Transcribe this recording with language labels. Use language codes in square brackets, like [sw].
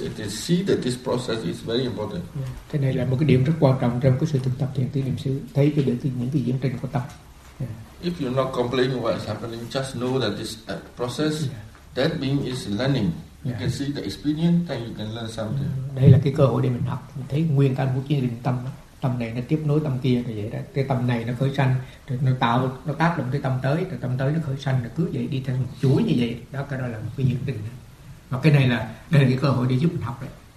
[en] It is see that this process is very important. Yeah. [vi] Thế này là một cái điểm rất quan trọng trong cái sự thực tập thiền tứ niệm xứ. Thấy cái được những cái diễn trình của tâm. Yeah. [en] If you're not complaining what is happening, just know that this process. Yeah. That means it's learning. You can see the experience, then you can learn something. [vi] Đây là cái cơ hội để mình học. Mình thấy nguyên căn của chiến trình tâm đó. Tâm này nó tiếp nối tâm kia rồi vậy đó. Cái tâm này nó khởi sanh, nó tác động tới tâm tới, rồi tâm tới nó khởi sanh, rồi cứ vậy đi theo một chuỗi như vậy. Đó, cái đó là một cái diễn trình. Mà cái này là đây là cái cơ hội để giúp mình học đấy.